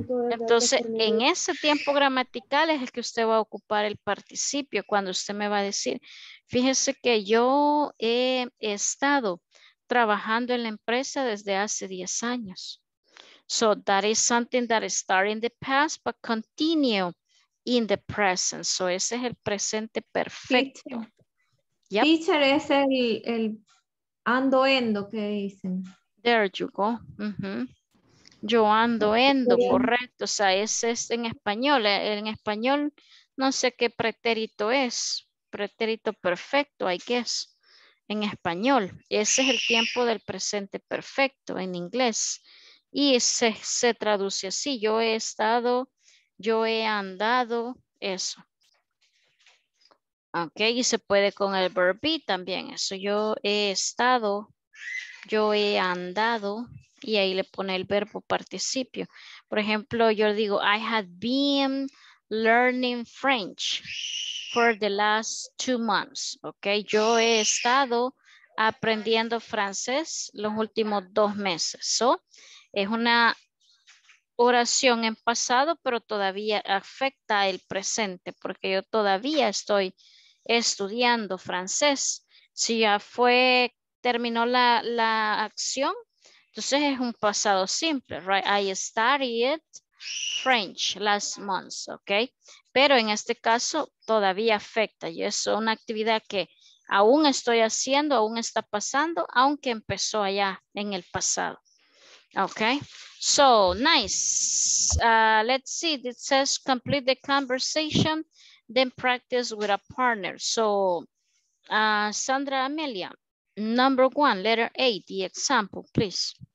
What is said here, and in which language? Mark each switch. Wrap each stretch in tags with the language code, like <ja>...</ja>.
<es>Entonces, en ese tiempo gramatical es el que usted va a ocupar el participio cuando usted me va a decir, fíjese que yo he estado trabajando en la empresa desde hace 10 años.</es> <en>So that is something that started in the past but continue in the present.</en> <es>So ese es el presente perfecto. Teacher, yep. Teacher es el ando endo que dicen.</es> <en>There you go. Mm-hmm.</en> <es>Yo ando endo, correcto. O sea, ese es en español. En español no sé qué pretérito es. Pretérito perfecto,</es> <en>I guess.</en> <es>En español. Ese es el tiempo del presente perfecto en inglés. Y se traduce así. Yo he estado, yo he andado, eso. Ok, y se puede con el verb be también. Eso, yo he estado, yo he andado, y ahí le pone el verbo participio. Por ejemplo, yo digo,</es> <en>I had been learning French for the last 2 months.</en> <es>Ok, yo he estado aprendiendo francés los últimos 2 meses. So, es una oración en pasado, pero todavía afecta el presente, porque yo todavía estoy estudiando francés. Si ya fue, terminó la acción, entonces es un pasado simple,</es> <en>right? I studied French last month, ok.</en> <es>Pero en este caso todavía afecta y es una actividad que aún estoy haciendo, aún está pasando, aunque empezó allá en el pasado.</es> <en>Ok, so nice. Let's see, it says complete the conversation, then practice with a partner. So, Sandra Amelia, number one, letter A, the example, please.</en>